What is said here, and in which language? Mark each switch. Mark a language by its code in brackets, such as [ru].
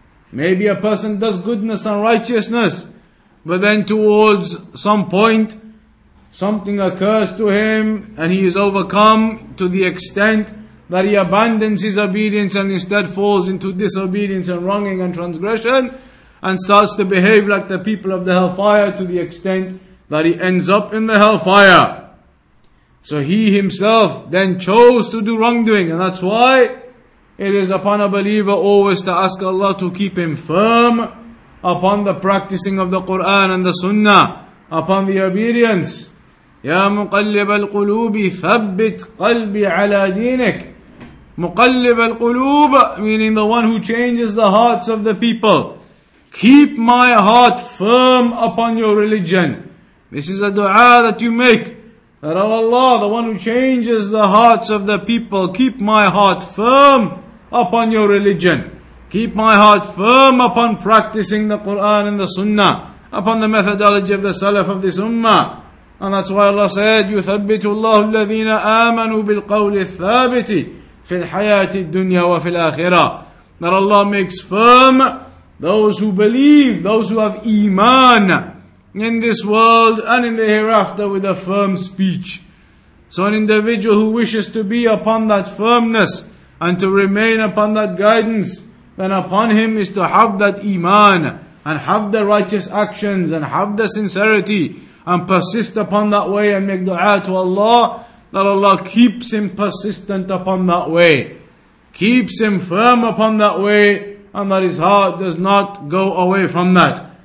[en] Maybe a person does goodness and righteousness, but then towards some point, something occurs to him and he is overcome to the extent that he abandons his obedience and instead falls into disobedience and wronging and transgression and starts to behave like the people of the hellfire to the extent that he ends up in the hellfire. So he himself then chose to do wrongdoing, and that's why it is upon a believer always to ask Allah to keep him firm upon the practicing of the Quran and the Sunnah, upon the obedience. [ar] يا مقلب القلوب ثبت قلبي على دينك. مقلب القلوب [en] meaning the one who changes the hearts of the people. Keep my heart firm upon your religion. This is a dua that you make. That oh Allah, the one who changes the hearts of the people, keep my heart firm upon your religion. Keep my heart firm upon practicing the Quran and the Sunnah, upon the methodology of the Salaf of this Ummah. And that's why Allah said, [ar] يُثَبِّتُ اللَّهُ الَّذِينَ آمَنُوا بِالْقَوْلِ الثَّابِتِ فِي الْحَيَاةِ الدُّنْيَا وَفِي الْآخِرَةِ. [en] That Allah makes firm those who believe, those who have iman in this world and in the hereafter with a firm speech. So an individual who wishes to be upon that firmness and to remain upon that guidance, then upon him is to have that iman and have the righteous actions and have the sincerity and persist upon that way and make dua to Allah, that Allah keeps him persistent upon that way, keeps him firm upon that way, and that his heart does not go away from that.